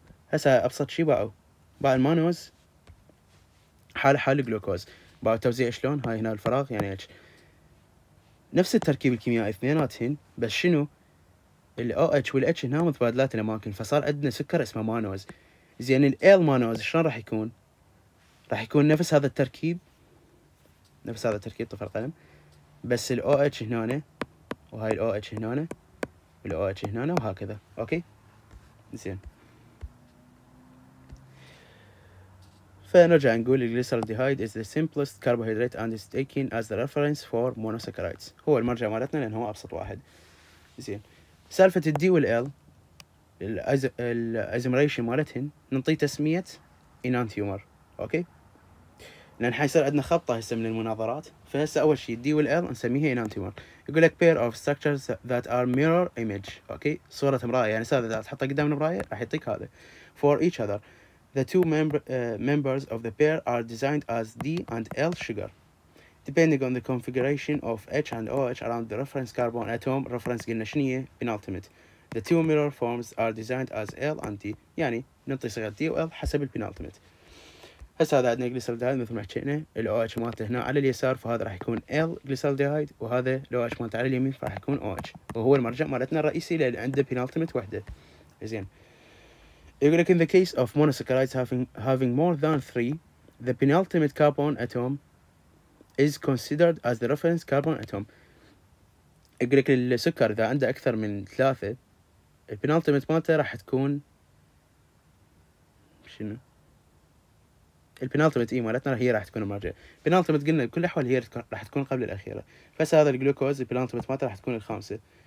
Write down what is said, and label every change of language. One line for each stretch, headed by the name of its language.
Arabic: هسه ابسط شيء باو باع المانوز حال الجلوكوز، بقى التوزيع شلون؟ هاي هنا الفراغ يعني اتش، نفس التركيب الكيميائي اثنيناتهن بس شنو؟ الاو اتش والاتش هنا متبادلات الاماكن، فصار عندنا سكر اسمه مانوز. زين ال مانوز شلون راح يكون؟ راح يكون نفس هذا التركيب، نفس هذا التركيب طفر قلم، بس الاو اتش هنا وهاي الاو اتش هنا والاو اتش هنا وهكذا. اوكي زين. فنرجع نقول
English: الجليسرالديهايد is the simplest carbohydrate and is taken as the reference for monosaccharides.
Arabic: هو المرجع مالتنا لأن هو أبسط واحد. زين. سالفة الـ D والـ L الأزمريشن مالتهن نعطي تسمية enantiomer. أوكي؟ لأن حيصير عندنا خبطة هسه من المناظرات. فهسه أول شيء D والـ L نسميها enantiomer. يقول لك
English: pair of structures that are mirror image.
Arabic: أوكي؟ صورة مراية. يعني سالفة إذا تحطها قدام المراية راح يعطيك هذا.
English: For each other. The two members of the pair are designed as D and L sugar. Depending on the configuration of H and OH around the reference carbon atom, reference
Arabic: قلنا شنيه
English: penultimate. The two mirror forms are designed as L and D.
Arabic: يعني نعطي صيغة D و L حسب penultimate. هسه هذا عندنا glyceraldehyde مثل ما حكينا. ال OH مالته هنا على اليسار فهذا راح يكون L glyceraldehyde وهذا ال OH مالته على اليمين فراح يكون OH. وهو المرجع مالتنا الرئيسي لأن عنده penultimate وحدة. زين. يقول لك
English: in the case of monosaccharides having more than three, the penultimate carbon atom is considered as the reference carbon atom.
Arabic: يقول لك السكر إذا عنده أكثر من ثلاثة, the penultimate مالته راح تكون شنو؟ the penultimate مالتنا هي راح تكون المرجع. penultimate قلنا بكل أحوال هي راح تكون قبل الأخيرة. فس هذا الجلوكوز the penultimate مالته راح تكون الخامسة.